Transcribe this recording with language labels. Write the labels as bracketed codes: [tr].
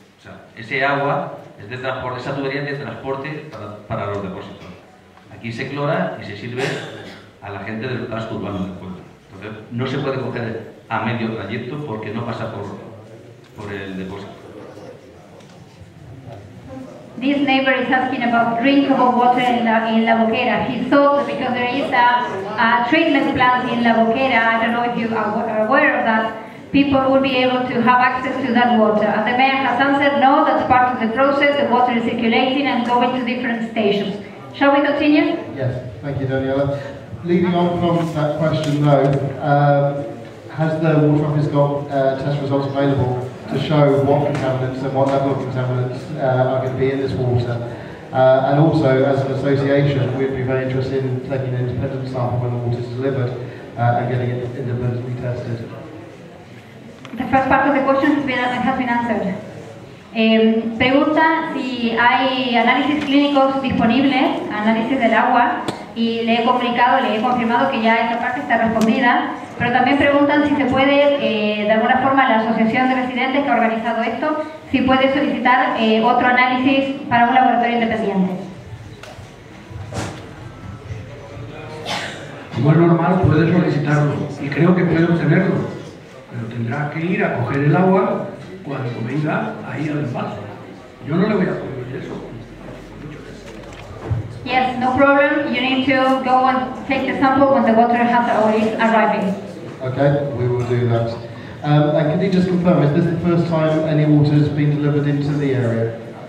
[es] O sea, ese agua es de transporte, esa tubería es de transporte para los depósitos. Aquí se clora y se sirve a la gente del casco urbano del pueblo. Entonces, no se puede coger a medio trayecto porque no pasa por el depósito. [en] This neighbor is asking about drinkable water in La Boquera. He thought that because there is a treatment plant in La Boquera, I don't know if you are aware of that, people would be able to have access to that water. And the mayor has answered, no, that's part of the process, the water is circulating and going to different stations. Shall we continue? Yes, thank you, Daniela. Leading on from that question though, has the water office got test results available to show what contaminants and what level of contaminants are going to be in this water? And also, as an association, we'd be very interested in taking an independent sample when the water is delivered and getting it independently tested. The first part of the question has been answered. [es] Pregunta si hay análisis clínicos disponibles, análisis del agua, y le he comunicado, le he confirmado que ya esta parte está respondida, pero también preguntan si se puede, de alguna forma, la asociación de residentes que ha organizado esto, si puede solicitar otro análisis para un laboratorio independiente. Como es normal, puede solicitarlo, y creo que puede obtenerlo, pero tendrá que ir a coger el agua cuando venga ahí al embalse. Yo no le voy a prohibir eso. [en] Yes, no problem. You need to go and take the sample when the water is arriving. Okay, we will do that. And can you just confirm, is this the first time any water has been delivered into the area?